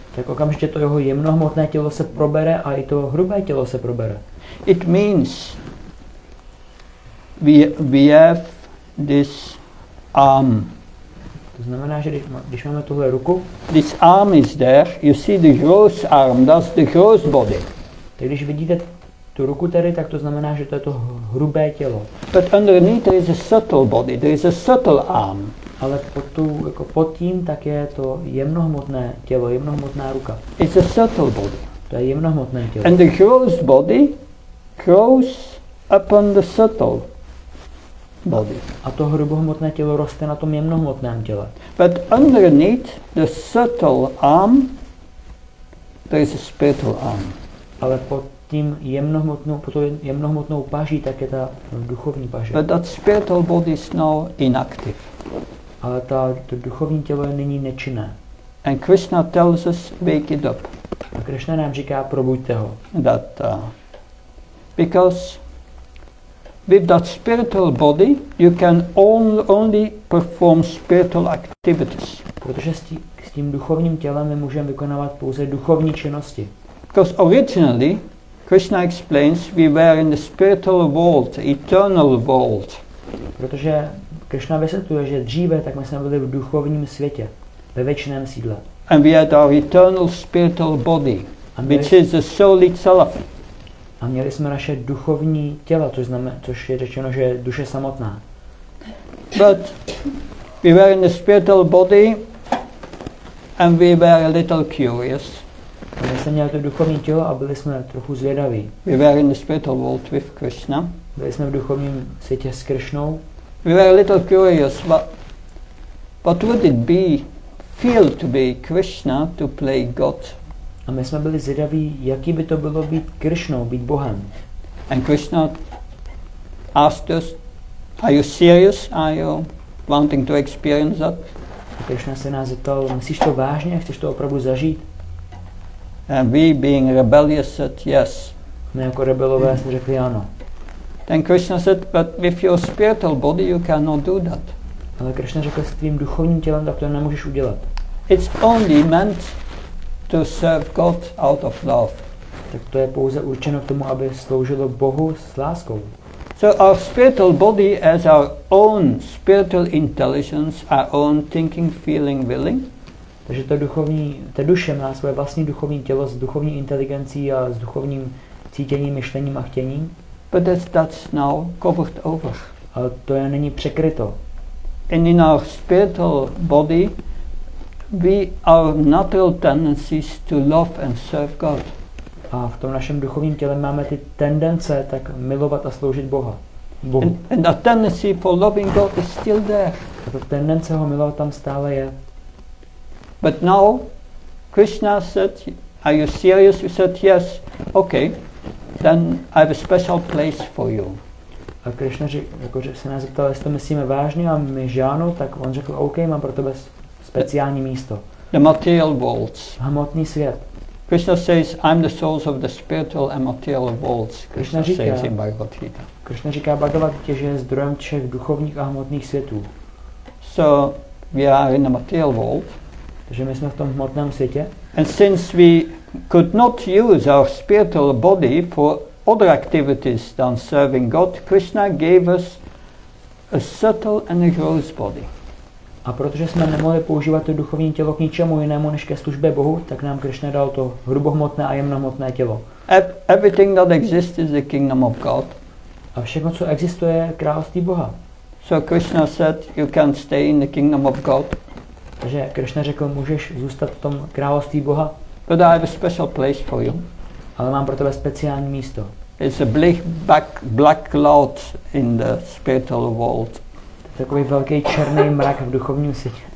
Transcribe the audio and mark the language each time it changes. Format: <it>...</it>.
<cs>Tak okamžitě to jeho jemnohmotné tělo se probere a i to hrubé tělo se probere.</cs> <en>It means we have this arm.</en> <cs>To znamená, že když máme tuhle ruku,</cs> <en>this arm is there, you see the gross arm, that's the gross body.</en> <cs>Tak když vidíte tu ruku tady, tak to znamená, že to je to hrubé tělo.</cs> <en>But underneath there is a subtle body, there is a subtle arm.</en> <cs>Ale pod, tu, jako pod tím tak je to jemnohmotné tělo, jemnohmotná ruka.</cs> <en>It's a subtle body.</en> <cs>To je jemnohmotné tělo.</cs> <en>And the gross body grows upon the subtle body.</en> <cs>A to hrubohmotné tělo roste na tom jemnohmotném těle.</cs> <en>But underneath the subtle arm there is a spiritual arm.</en> <cs>Ale pod tím jemnohmotnou, pod tou jemnohmotnou paží, tak je ta duchovní paže.</cs> <en>But that spiritual body is now inactive.</en> <cs>Ale ta, to duchovní tělo je nyní nečinné.</cs> <en>And Krishna tells us, wake it up.</en> <cs>A Krishna nám říká, probuďte ho.</cs> <en>That, because with that spiritual body, you can only perform spiritual activities.</en> <cs>Protože s tím duchovním tělem my můžeme vykonávat pouze duchovní činnosti.</cs> <en>Because originally, Krishna explains, we were in the spiritual world, eternal world.</en> <cs>Protože Krishna vysvětluje, že dříve tak my jsme byli v duchovním světě, ve věčném sídle.</cs> <en>And we had our eternal spiritual body, which is the soul itself.</en> <cs>A měli jsme naše duchovní těla, což je řečeno, že je duše samotná.</cs> <en>But we were in the spiritual body and we were a little curious.</en> <cs>A my jsme měli to duchovní tělo a byli jsme trochu zvědaví.</cs> <en>We were in the spiritual world with Krishna.</en> <cs>Byli jsme v duchovním světě s Krishnou.</cs> <en>We were a little curious, but would it be feel to be Krishna to play God?</en> <cs>A my jsme byli zvědaví, jaký by to bylo být Krishnou, být Bohem.</cs> <en>And Krishna asked us, are you serious? Are you wanting to experience that?</en> <cs>A Krishna se nás zeptal, myslíš to vážně? Chceš to opravdu zažít?</cs> <en>And we being rebellious said yes.</en> <cs>My jako rebelové jsme řekli ano.</cs> <en>Then Krishna said, but with your spiritual body you cannot do that.</en> <cs>Ale Krishna řekl, s tvým duchovním tělem tak to nemůžeš udělat.</cs> <en>It's only meant to serve God out of love.</en> <cs>Tak to je pouze určeno k tomu, aby sloužilo Bohu s láskou.</cs> <en>So our spiritual body as our own spiritual intelligence, our own thinking, feeling, willing.</en> <cs>Takže to duchovní, ta duše má svoje vlastní duchovní tělo s duchovní inteligencí a s duchovním cítěním, myšlením a chtěním.</cs> <en>But that's now covered over.</en> <cs>Ale to je není překryto.</cs> <en>And in our spiritual body, we our natural tendencies to love and serve God.</en> <cs>A v tom našem duchovním těle máme ty tendence tak milovat a sloužit Boha. Bohu.</cs> <en>And that tendency for loving God is still there.</en> <cs>A ta tendence ho milovat tam stále je.</cs> <en>But now, Krishna said, are you serious? You said, yes. Okay, then I have a special place for you.</en> <cs>A Krishna se nás zeptal, jestli to myslíme vážně a my žánu, tak on řekl, okay, mám pro tebe speciální místo.</cs> <en>The material worlds.</en> <cs>Hmotný svět.</cs> <en>Krishna says, I'm the source of the spiritual and material worlds, Krishna says in Bhagavad Gita.</en> <cs>Krishna říká, Bhagavad Gita, že je zdrojem všech duchovních a hmotných světů.</cs> <en>So, we are in the material world.</en> <cs>Takže my jsme v tom hmotném světě.</cs> <en>And since we could not use our spiritual body for other activities than serving God, Krishna gave us a subtle and a gross body.</en> <cs>A protože jsme nemohli používat to duchovní tělo k ničemu jinému než ke službě Bohu, tak nám Krishna dal to hrubohmotné a jemnohmotné tělo.</cs> <en>Everything that exists is the kingdom of God.</en> <cs>A všechno, co existuje, je království Boha.</cs> <en>So Krishna said, you can stay in the kingdom of God.</en> <cs>Takže Krishna řekl, můžeš zůstat v tom království Boha.</cs> <en>But I have a special place for you.</en> <cs>Ale mám pro tebe speciální místo.</cs> <en>It's a black cloud in the spiritual world.</en> <cs>takový velký černý mrak v duchovním světě.</cs>